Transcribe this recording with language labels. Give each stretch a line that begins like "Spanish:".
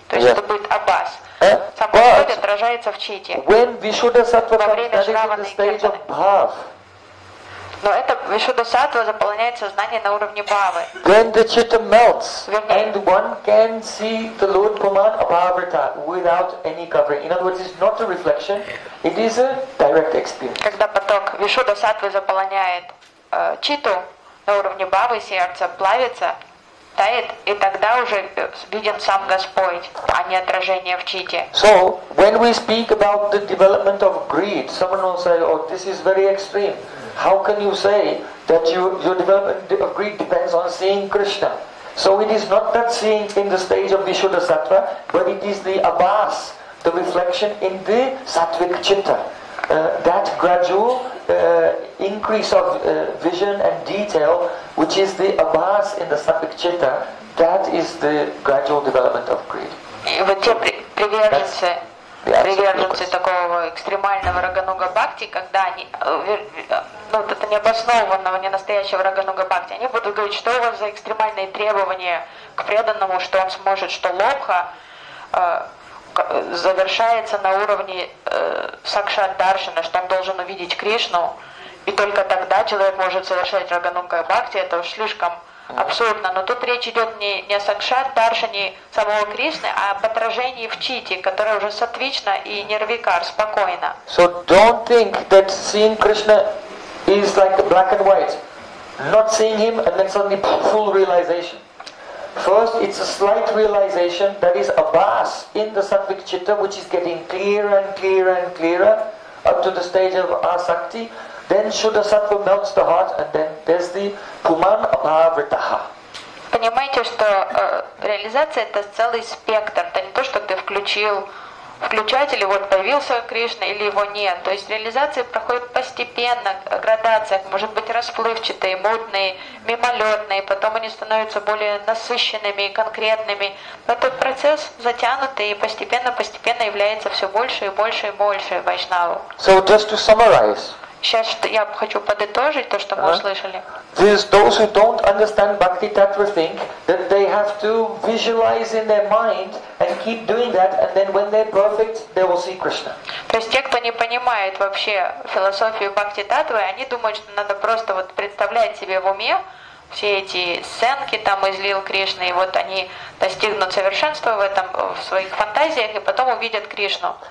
Russian: То есть это будет абас. Сам Господь отражается в чите.
English: When Vishuddha Sattva
Russian: во время Шраваны Киртаны. Но это Вишудда Сатва заполняет сознание на уровне Бхавы.
English: When the chitta melts, and one can see the Lord Puman Abhavrita without any covering. In other words, it's not a reflection, it is a direct experience.
Russian: Когда поток Вишудда Сатвы заполняет читу на уровне Бхавы, сердце плавится, тает, и тогда уже виден сам Господь, а не отражение в чите.
English: So, when we speak about the development of greed, someone will say, oh, this is very extreme. How can you say that your development of greed depends on seeing Krishna? So it is not that seeing in the stage of Vishuddha Sattva, but it is the abhas, the reflection in the sattvic chitta. That gradual increase of vision and detail, which is the abhas in the sattvic chitta, that is the gradual development of greed.
Russian: Вот те приверженцы такого экстремального рагануга бхакти, когда они, ну вот это необоснованного, не настоящего рагануга бхакти, они будут говорить, что у вас за экстремальные требования к преданному, что он сможет, что лобха завершается на уровне сакшат даршана, что он должен увидеть Кришну, и только тогда человек может совершать рагануга бхакти. Это уж слишком абсурдно, но тут речь идет не о сакшат даршане самого Кришны, а об отражении в чите, которое уже сатвично и нирвикар, спокойно.
English: So don't think that seeing Krishna is like black and white. Not seeing him and then suddenly full realization. First, it's a slight realization that is abhas in the sattvic chitta, which is getting clearer and clearer and clearer up to the stage of asakti. Then Shuddha Sattva melts the heart, and then there's the Puman Abhavritaha.
Russian: Понимаете, что реализация — это целый спектр, это не то, что ты включать или вот появился Кришна или его нет. То есть реализация проходит постепенно, градация, может быть расплывчатые, мутные, мимолетные, потом они становятся более насыщенными и конкретными. Этот процесс затянутый и постепенно является все больше и больше и больше вайшнаву.
English: So just to summarize.
Russian: Сейчас я хочу подытожить то, что мы услышали.
English: Those who don't understand Bhakti Tattva think that they have to visualize in their mind and keep doing that, and then when they're perfect, they will see Krishna.
Russian: То есть те, кто не понимает вообще философию Бхакти Таттвы, они думают, что надо просто вот представлять себе в уме все эти сценки там из лил Кришны, и вот они достигнут совершенства в этом в своих фантазиях и потом увидят Кришну.